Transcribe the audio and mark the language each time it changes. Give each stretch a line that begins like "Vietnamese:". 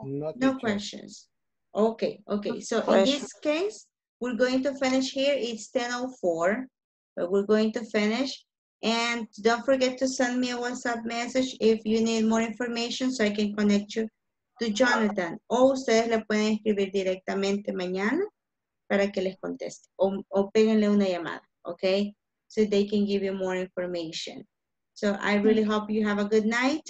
English: No questions. Okay. Okay. So in this case, we're going to finish here. It's 10:04. But we're going to finish. And don't forget to send me a WhatsApp message if you need more information so I can connect you to Jonathan.
Spanish: O ustedes le pueden escribir directamente mañana para que les conteste. O péguenle una llamada,
English: okay? So they can give you more information. So I really hope you have a good night.